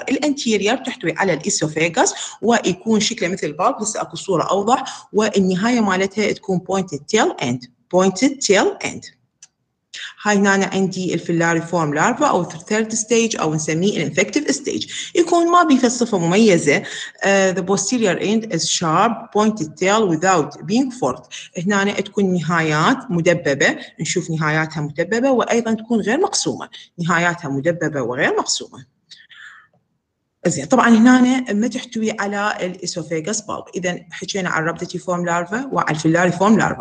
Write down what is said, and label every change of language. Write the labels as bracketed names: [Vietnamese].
[Arabic] الانتيريور تحتوي على الاسوفاجس ويكون شكله مثل البالب بس اكو صوره اوضح والنهايه مالتها تكون [English] Pointed tail end pointed tail end. [Arabic] هاي هنا عندي الفيلاري فورم لارفا او ثيرد ستيج او نسميه الانفكتيف ستيج يكون ما بيه صفه مميزه. [English] The posterior end is sharp pointed tail without being forked. [Arabic] هنا تكون نهايات مدببه نشوف نهاياتها مدببه وايضا تكون غير مقسومه نهاياتها مدببه وغير مقسومه. زين طبعا هنا ما تحتوي على الاسوفاجس بالب. اذا حكينا على الربدتي فورم لارفا وعلى الفيلاري فورم لارفا.